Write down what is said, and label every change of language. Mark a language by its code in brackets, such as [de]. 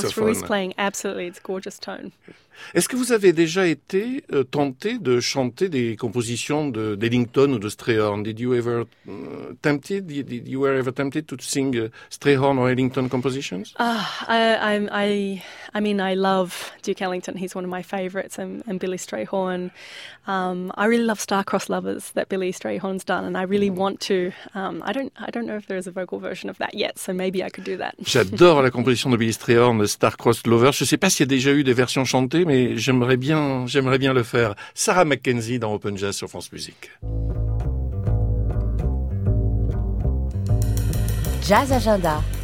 [en] Oh, through his playing, absolutely, it's a gorgeous tone. [fr] Est-ce que vous avez déjà été tenté de chanter des compositions de d'Ellington ou de Strayhorn? [en] Did you ever tempted to sing Strayhorn or Ellington compositions? I love Duke Ellington. He's one of my favorites, and Billy Strayhorn. I really love Star-Crossed Lovers that Billy Strayhorn's done, and I really want to. I don't know if there is a vocal version of that yet, so maybe I could do that. [fr] J'adore la composition de Billy Strayhorn, Star-Crossed Lovers. Je ne sais pas s'il y a déjà eu des versions chantées, mais j'aimerais bien le faire. Sarah McKenzie dans Open Jazz sur France Musique. Jazz Agenda.